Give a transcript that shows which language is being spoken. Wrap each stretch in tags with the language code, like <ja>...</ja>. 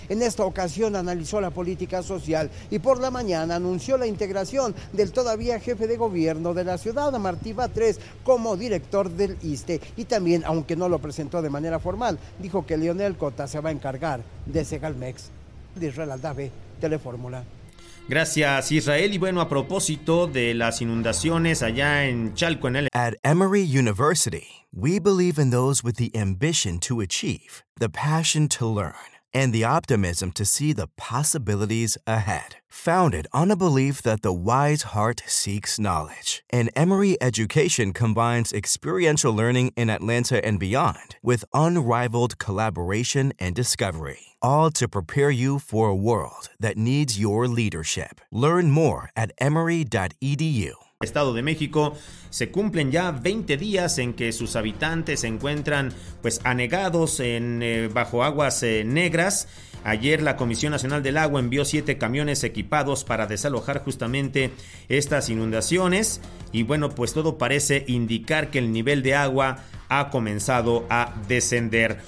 <es>En esta ocasión analizó la política social y por la mañana anunció la integración del todavía jefe de gobierno de la ciudad, Martí Batres, como director del ISSSTE. Y también, aunque no lo presentó de manera formal, dijo que Leonel Cota se va a encargar de Segalmex. Israel Aldave, Telefórmula. Gracias, Israel. Y bueno, a propósito de las inundaciones allá en Chalco, en el...</es> <en>At Emory University, we believe in those with the ambition to achieve, the passion to learn, and the optimism to see the possibilities ahead. Founded on a belief that the wise heart seeks knowledge, and Emory Education combines experiential learning in Atlanta and beyond with unrivaled collaboration and discovery, all to prepare you for a world that needs your leadership. Learn more at emory.edu.</en> <es>Estado de México, se cumplen ya 20 días en que sus habitantes se encuentran pues anegados en bajo aguas negras. Ayer la Comisión Nacional del Agua envió 7 camiones equipados para desalojar justamente estas inundaciones y bueno, pues todo parece indicar que el nivel de agua ha comenzado a descender.</es>